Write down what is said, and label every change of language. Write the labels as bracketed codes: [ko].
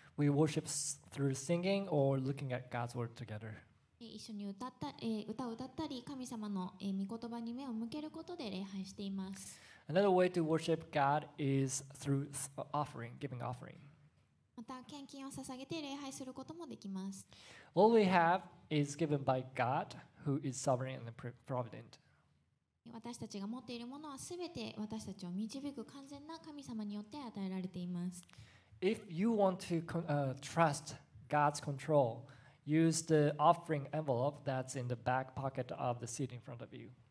[en] We worship through singing or looking at God's word together. [ja] 一緒に歌を歌ったり、神様の御言葉に目を向けることで礼拝しています。 [en] Another way to worship God is through offering, giving offering. [ja] また献金を捧げて礼拝することもできます。 [en] All we have is given by God, who is sovereign and provident. [ja] 私たちが持っているものはすべて私たちを導く完全な神様によって与えられています。 [en] If you want to trust God's control, use the offering envelope that's in the back pocket of the seat in front of you.